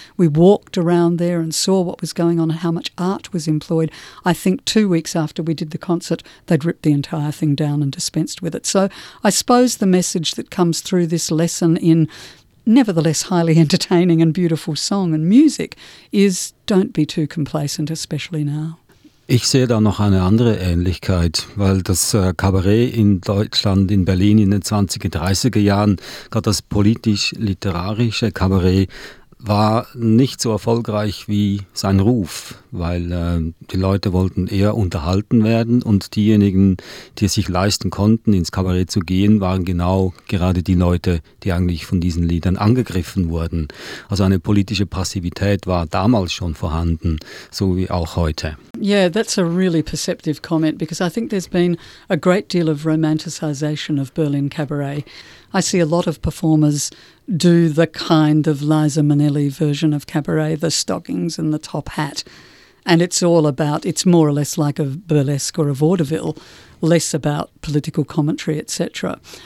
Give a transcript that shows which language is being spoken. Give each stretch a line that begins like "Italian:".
English: We walked around there and saw what was going on and how much art was employed. I think 2 weeks after we did the concert, they'd ripped the entire thing down and dispensed with it. So I suppose the message that comes through this lesson in nevertheless highly entertaining and beautiful song and music is don't be too complacent, especially now.
German: Ich sehe da noch eine andere Ähnlichkeit, weil das Kabarett in Deutschland, in Berlin in den 20er, 30er Jahren, gerade das politisch-literarische Kabarett, war nicht so erfolgreich wie sein Ruf, weil die Leute wollten eher unterhalten werden und diejenigen, die es sich leisten konnten, ins Kabarett zu gehen, waren genau gerade die Leute, die eigentlich von diesen Liedern angegriffen wurden. Also eine politische Passivität war damals schon vorhanden, so wie auch heute.
English: Yeah, that's a really perceptive comment because I think there's been a great deal of romanticization of Berlin Cabaret. I see a lot of performers do the kind of Liza Minnelli version of cabaret, the stockings and the top hat. And it's all about, it's more or less like a burlesque or a vaudeville, less about political commentary, etc.